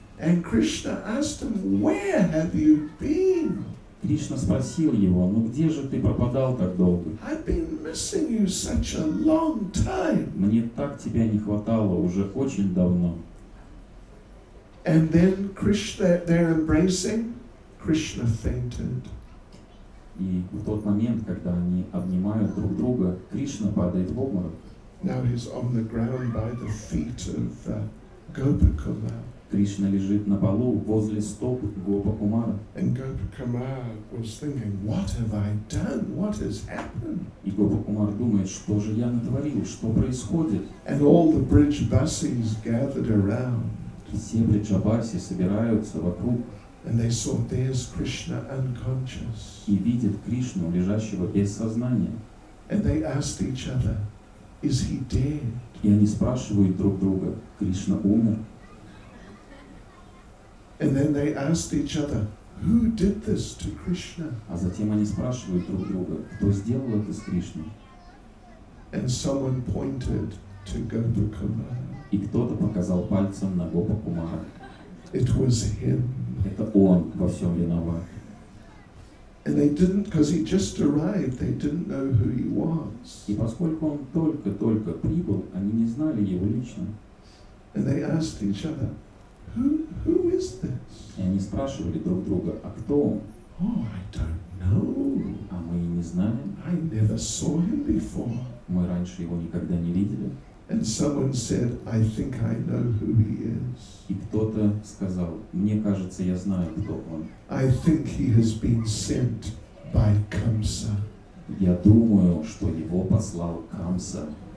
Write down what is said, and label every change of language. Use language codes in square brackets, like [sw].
[en] And Krishna asked him, "Where have you been?" [ru] Кришна спросил его, ну где же ты пропадал так долго? [en] I've been missing you such a long time. [ru] Мне так тебя не хватало уже очень давно. [en] And then Krishna, they're embracing, Krishna fainted. [ru] И в тот момент, когда они обнимают друг друга, Кришна падает в обморок. [en] Now he's on the ground by the feet of Gopakumar. [ru] Кришна лежит на полу возле стоп Гопакумара. [en] And Gopakumar was thinking, what have I done? What has happened? [ru] И Гопакумар думает, что же я натворил? Что происходит? [en] And all the bridge buses gathered around. [ru] Все бриджабаси собираются вокруг. [en] And they saw there's Krishna unconscious. [ru] И видят Кришну, лежащего без сознания. [en] And they asked each other, is he dead? [ru] И они спрашивают друг друга, Кришна умер? [en] And then they asked each other, who did this to Krishna? [ru] А затем они спрашивают друг друга, кто сделал это с Кришной? [en] And someone pointed to Gopakumara. [ru] И кто-то показал пальцем на Гопакумара. [en] It was him. [ru] Это он во всем виноват. [en] And they didn't, because he just arrived, they didn't know who he was. [ru] И поскольку он только-только прибыл, они не знали его лично. [en] And they asked each other, Who is this? [ru] И они спрашивали друг друга, а кто он? [en] Oh, I don't know. [ru] А мы и не знаем. [en] I never saw him before. [ru] Мы раньше его никогда не видели. [en] And someone said, I think I know who he is. [ru] И кто-то сказал, мне кажется, я знаю, кто он. [en] I think he has been sent by Kamsa. [ru] Я думаю, что его послал Камса.